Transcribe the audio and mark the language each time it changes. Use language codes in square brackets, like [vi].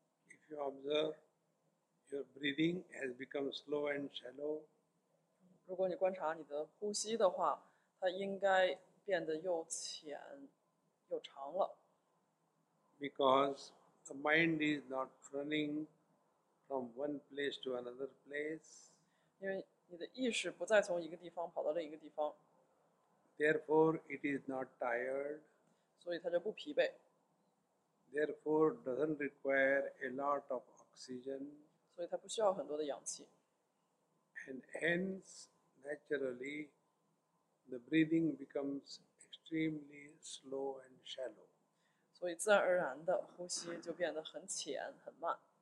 [en] If you observe, your breathing has become slow and shallow. [zh] 如果你观察你的呼吸的话，它应该变得又浅又长了。 [en] Because the mind is not running from one place to another place. [zh] 因为你的意识不再从一个地方跑到另一个地方。 [en] Therefore, it is not tired. [zh] 所以它就不疲惫。 [en] Therefore, doesn't require a lot of oxygen. [zh] 所以它不需要很多的氧气。 [en] And hence, naturally, the breathing becomes extremely slow and shallow. [zh] 所以自然而然的呼吸就变得很浅很慢。